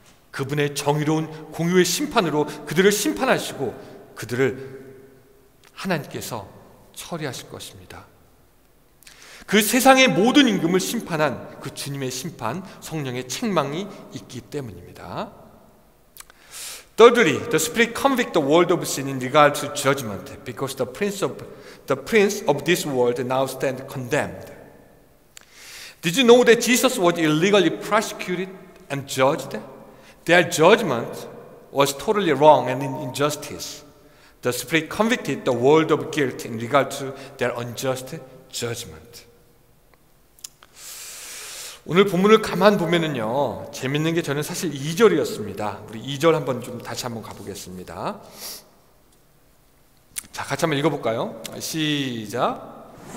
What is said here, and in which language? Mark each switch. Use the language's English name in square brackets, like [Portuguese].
[Korean] 그분의 정의로운 공의의 심판으로 그들을 심판하시고 그들을 하나님께서 처리하실 것입니다. 그 세상의 모든 임금을 심판한 그 주님의 심판, 성령의 책망이 있기 때문입니다. [English] Thirdly, the Spirit convicts the world of sin in regard to judgment because the prince of this world now stands condemned. Did you know that Jesus was illegally prosecuted and judged? Their judgment was totally wrong and an injustice. The Spirit convicted the world of guilt in regard to their unjust judgment. [Korean] 오늘 본문을 가만 보면은요, 재밌는 게 저는 사실 2절이었습니다. 우리 2절 한번 좀 다시 한번 가보겠습니다. 자, 같이 한번 읽어볼까요? 시작.